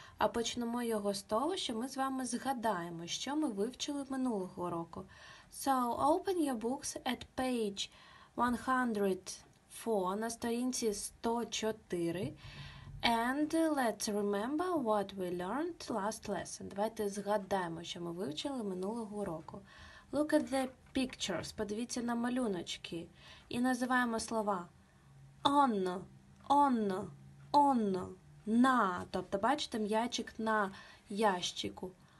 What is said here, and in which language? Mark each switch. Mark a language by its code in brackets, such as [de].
[uk] А почнемо його з того, що ми з вами згадаємо, що ми вивчили минулого року. [en] So, open your books at page 104, [uk] на сторінці 104. [en] And let's remember what we learned last lesson. [uk] Давайте згадаємо, що ми вивчили минулого року. [en] Look at the pictures. [uk] Подивіться на малюночки. І називаємо слова. On, на, тобто бачите м'ячик на ящику.